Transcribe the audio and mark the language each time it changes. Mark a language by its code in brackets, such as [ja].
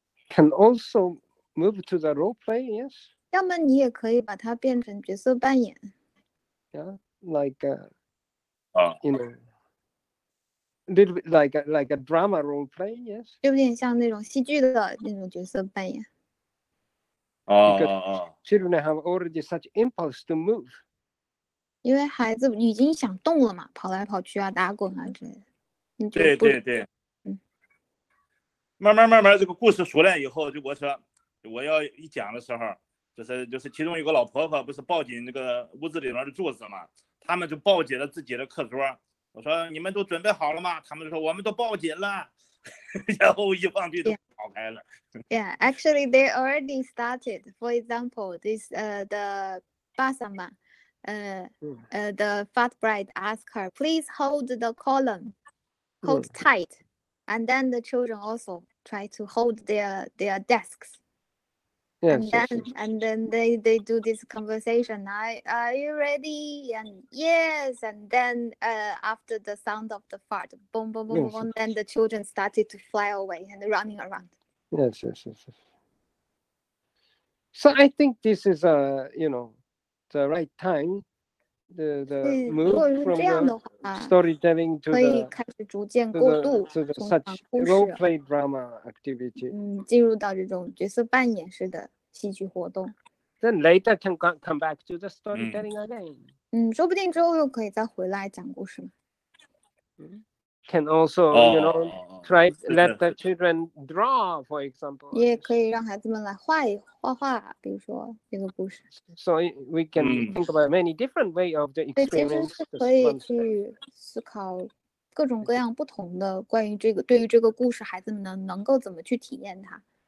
[en] Can also move to the role play, yes? [zh] 要么你也可以把它变成角色扮演。 [en] Yeah, like a little bit like a drama role play, yes. [zh] 有点像那种戏剧的那种角色扮演。 [en] Because children have already such impulse to move. [zh] 因为孩子已经想动了嘛，跑来跑去啊，打滚啊之类的。对对对。慢慢，这个故事熟练以后，就我说，我要一讲的时候，就是其中有个老婆婆不是抱紧那个屋子里面的柱子嘛，他们就抱紧了自己的课桌。我说你们都准备好了吗？他们就说我们都抱紧了，然后一放屁都跑开了。 [en] Yeah, actually they already started. For example, this the Basama, the fat bride asked her, please hold the column, hold tight, and then the children also try to hold their desks. And then they do this conversation. Are you ready? And yes. And then after the sound of the fart, boom, boom, boom, boom. Yes. Then the children started to fly away and running around. Yes. So I think this is the right time. The move from the storytelling to the such role play drama activity. [zh] 进入到这种角色扮演式的。戏剧活动 [en] ，Then later can come back to the storytelling again. [zh] 说不定之后又可以再回来讲故事嘛。 [en] Can also, try let the children draw, for example. [zh] 也可以让孩子们来画画，比如说这个故事。 [en] So we can think about many different way of the experience. [zh] 对，其实是可以去思考各种各样不同的关于这个对于这个故事，孩子们能够怎么去体验它。